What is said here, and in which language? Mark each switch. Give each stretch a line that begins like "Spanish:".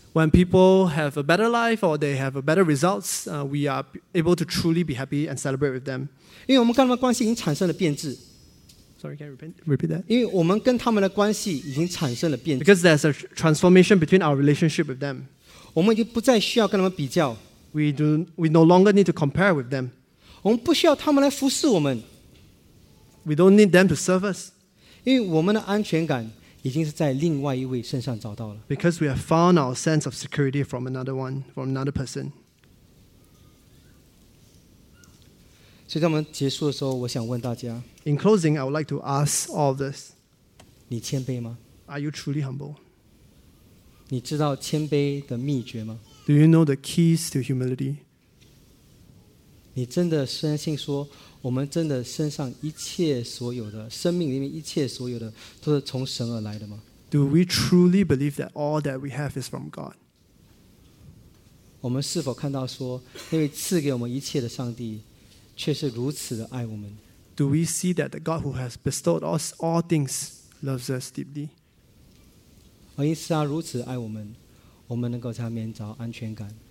English: When people have a better life or they have a better results, we are able to truly be happy and celebrate with them.
Chinese: 因为我们跟他们关系已经产生了变质。
English: Sorry, can you repeat that?
Chinese: 因为我们跟他们的关系已经产生了变质。
English: Because there's a transformation between our relationship with them.
Chinese: 我们已经不再需要跟他们比较。
English: We no longer need to compare with them.
Chinese: 我们不需要他们来服侍我们。
English: We don't need them to serve us.
Chinese: 因为我们的安全感 已经是在另外一位身上找到了。
English: Because we have found our sense of security from another one, from another person.
Chinese: 所以在我们结束的时候，我想问大家，
English: In closing, I would like to ask all of this.
Chinese: 你谦卑吗?
English: Are you truly humble?
Chinese: 你知道谦卑的秘诀吗?
English: Do you know the keys to humility?
Chinese: 你真的深信说， 我们真的身上一切所有的，生命里面一切所有的，都是从神而来的吗?
English: Do we truly believe that all that we have is from God?
Chinese: 我们是否看到说，那位赐给我们一切的上帝，却是如此的爱我们？
English: Do we see that the God who has bestowed us all things loves us deeply?
Chinese: 而因此他如此爱我们，我们能够在他面前找安全感。